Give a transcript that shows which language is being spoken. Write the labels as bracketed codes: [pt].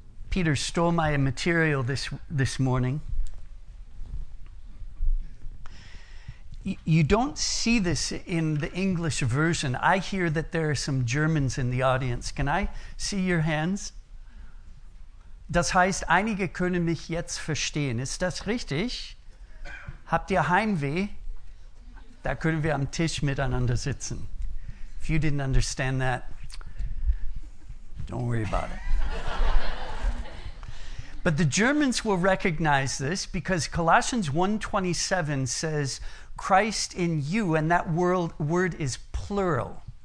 [en] Peter stole my material this morning. You don't see this in the English version. I hear that there are some Germans in the audience. Can I see your hands? [de] Das heißt, einige können mich jetzt verstehen. Ist das richtig? Habt ihr Heimweh? Da können wir am Tisch miteinander sitzen. [en] If you didn't understand that, don't worry about it. But the Germans will recognize this because Colossians 1:27 says, Christ in you, and that word is plural.